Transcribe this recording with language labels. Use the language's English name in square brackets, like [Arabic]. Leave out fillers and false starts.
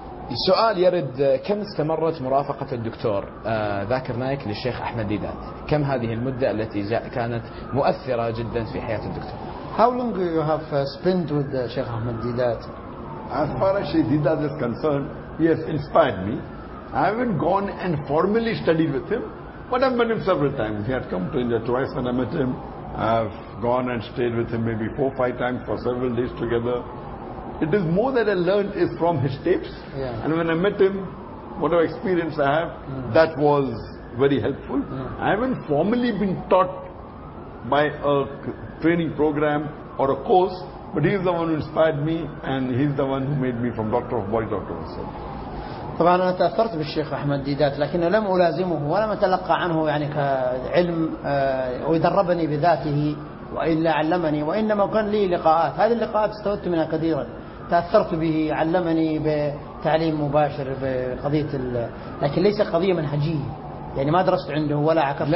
[Arabic] السؤال يرد: كم استمرت مرافقة الدكتور ذاكر نايك للشيخ أحمد ديدات؟ كم هذه المدة التي كانت مؤثرة جدا في حياة الدكتور؟ [English] How long you have spent with Sheikh Ahmed Didat? As far as Sheikh Didat is concerned, he has inspired me. I haven't gone and formally studied with him, but I've met him several times. He had come to India twice when I met him. I've gone and stayed with him maybe 4-5 times for several days together. It is more that I learned is from his tapes. Yeah. And when I met him, whatever experience I have, that was very helpful. Yeah. I haven't formally been taught by a training program or a course, but he's the one who inspired me and he's the one who made me from doctor of body doctor himself. [Arabic] طبعا انا تاثرت بالشيخ احمد ديدات لكن لم الازمه ولم اتلقى عنه يعني كعلم ويدربني بذاته والا علمني، وانما كان لي لقاءات، هذه اللقاءات استفدت منها كثيرا، تاثرت به، علمني بتعليم مباشر بقضيه لكن ليس قضيه منهجيه يعني ما درست عنده ولا عكفت